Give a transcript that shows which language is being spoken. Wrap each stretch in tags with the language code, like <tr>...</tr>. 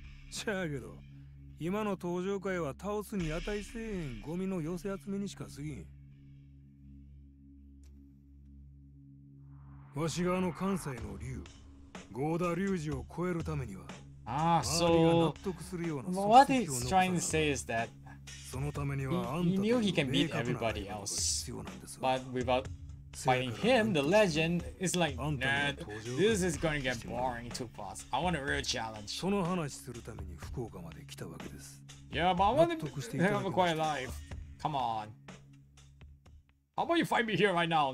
<ja>じゃあけど、今の登場会は倒すに値せえんゴミの寄せ集めにしか過ぎん。わしがあの関西の竜、ゴーダ竜二を超えるためには、そう、納得するような組織を残さない。</ja> <en>Well, what he's trying to say is that he knew he can beat everybody else, but without fighting him, the legend is like, nah, this is going to get boring too fast. I want a real challenge.</en> <ja>その話するために福岡まで来たわけです。</ja> <en>Yeah, but I want to have a quiet life. Come on. How about you fight me here right now?</en>